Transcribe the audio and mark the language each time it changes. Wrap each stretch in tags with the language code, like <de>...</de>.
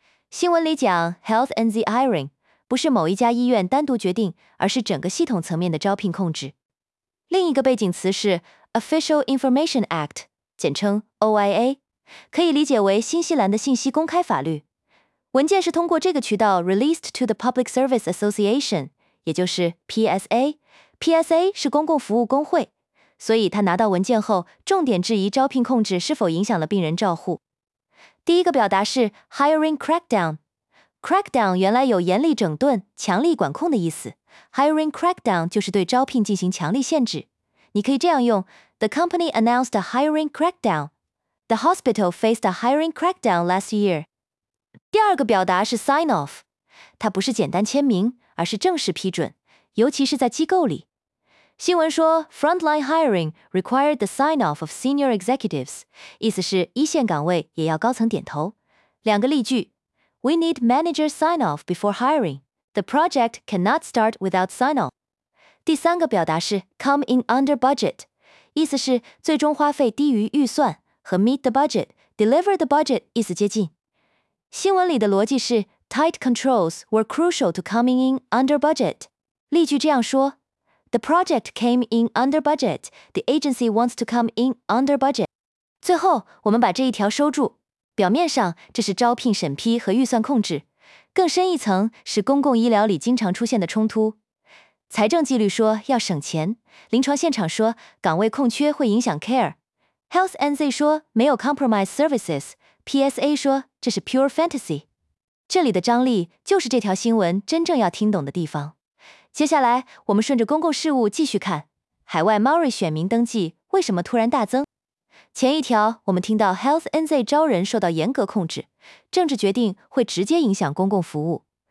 <zh>新闻里讲 Health NZ hiring 不是某一家医院单独决定，而是整个系统层面的招聘控制。另一个背景词是 Official Information Act， 简称 OIA， 可以理解为新西兰的信息公开法律。文件是通过这个渠道 released to the Public Service Association，也就是 PSA。 PSA 是公共服务工会，所以他拿到文件后重点质疑招聘控制是否影响了病人照护。第一个表达是 hiring crackdown。crackdown 原来有严厉整顿、强力管控的意思， hiring crackdown 就是对招聘进行强力限制。</zh> <en>你可以这样用： The company announced a hiring crackdown. The hospital faced a hiring crackdown last year.</en> <zh>第二个表达是 sign off， 它不是简单签名，而是正式批准，尤其是在机构里。新闻说 ， frontline hiring required the sign off of senior executives，意思是一线岗位也要高层点头。</zh> <en>两个例句 ：We need manager sign off before hiring. The project cannot start without sign off.</en> <zh>第三个表达是 come in under budget， 意思是最终花费低于预算，和 meet the budget、deliver the budget 意思接近。</zh> <en>新闻里的逻辑是 ：tight controls were crucial to coming in under budget。</en> <zh>例句这样说。</zh> <en>The project came in under budget. The agency wants to come in under budget.</en> <zh>最后，我们把这一条收住。表面上，这是招聘审批和预算控制，更深一层是公共医疗里经常出现的冲突。财政纪律说要省钱，临床现场说岗位空缺会影响 care。 Health NZ 说没有 compromise services。 PSA 说这是 pure fantasy。这里的张力就是这条新闻真正要听懂的地方。接下来，我们顺着公共事务继续看，海外 Maori 选民登记为什么突然大增？前一条我们听到 Health NZ 招人受到严格控制，政治决定会直接影响公共服务。</zh>